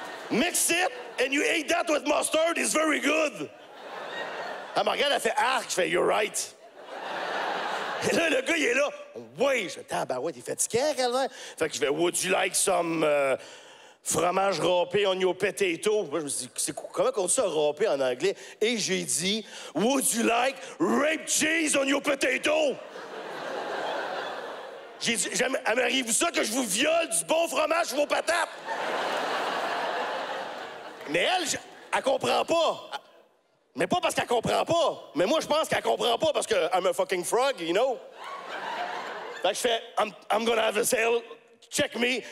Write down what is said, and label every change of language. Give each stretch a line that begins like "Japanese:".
English: Mix it, and you ate that with mustard, it's very good.
French: Elle me regarde, elle fait, arc, je fais,
English: you're right.
French: Et là, le gars, il est là. Oui, je fais tabarouette, il est fatigué, Calvin. Fait que je fais,
English: would you like some
French: fromage râpé,
English: onion potato?
French: Moi, je me dis, c'est comment on dit ça, râpé en anglais? Et j'ai dit,
English: would you like rape cheese, onion potato?
French: J'ai dit, aimeriez-vous ça que je vous viole du bon fromage sur vos patates? Mais elle comprend pas. Mais pas parce qu'elle comprend pas. Mais moi, je pense qu'elle comprend pas parce que
English: I'm a fucking frog, you know?
French: Fait que je fais,
English: I'm gonna have a sale. Check me.